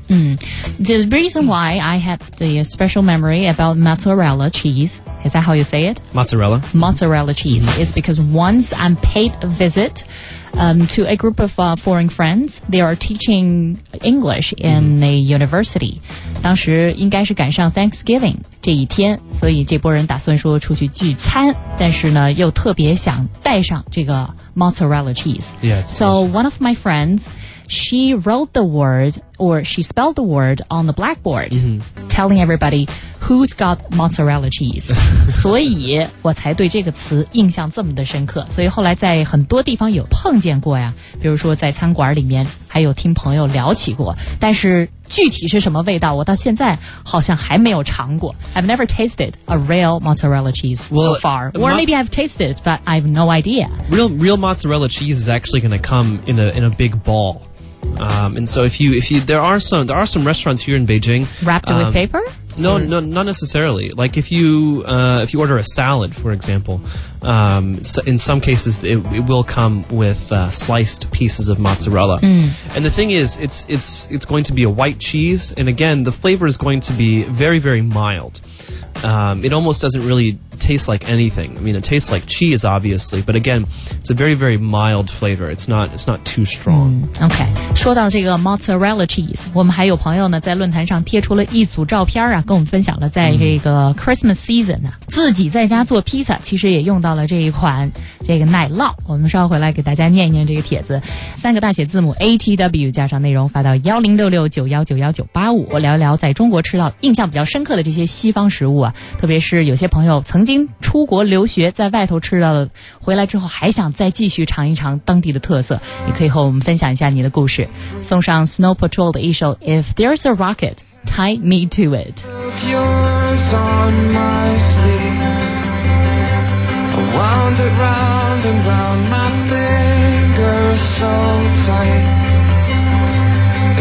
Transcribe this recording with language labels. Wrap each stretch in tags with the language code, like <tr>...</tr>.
<en>The reason why I have the special memory about mozzarella cheese, is that how you say it? Mozzarella. Mozzarella cheese is because once I paid a visit to a group of foreign friends. They are teaching English in a university.</en> <zh>当时应该是赶上 Thanksgiving 这一天，所以这波人打算说出去聚餐，但是呢又特别想带上这个 mozzarella cheese.</zh> <en>Yeah, so one of my friends, she wrote the word, or she spelled the word on the blackboard, telling everybody,Who's got mozzarella cheese?</en> <zh>所以我才对这个词印象这么的深刻。所以后来在很多地方有碰见过呀，比如说在餐馆里面还有听朋友聊起过，但是具体是什么味道我到现在好像还没有尝过。</zh> <en>I've never tasted a real mozzarella cheese so far. Or maybe I've tasted it, but I have no idea. Real mozzarella cheese is actually going to come in a big ball. And so there are some restaurants here in Beijing. Wrapped with paper? No, not necessarily. Like if you order a salad, for example, in some cases it will come with sliced pieces of mozzarella. And the thing is, it's going to be a white cheese. And again, the flavor is going to be very, very mild. It almost doesn't really taste like anything. I mean, it tastes like cheese, obviously. But again, it's a very, very mild flavor. It's not too strong. Okay.</en> <zh>说到这个 mozzarella cheese, 我们还有朋友呢在论坛上贴出了一组照片啊，跟我们分享了在这个 Christmas season 啊，自己在家做披萨，其实也用到了这一款这个奶酪。我们稍回来给大家念一念这个帖子，三个大写字母 ATW 加上内容发到10669199985，我聊一聊在中国吃到印象比较深刻的这些西方食物啊，特别是有些朋友曾经出国留学，在外头吃到了，回来之后还想再继续尝一尝当地的特色，你可以和我们分享一下你的故事。送上 Snow Patrol 的一首 If There's a Rocket, Tie Me to It.</zh> <en>If yours on my sleeve, I wound it round and round my finger so tight.</en>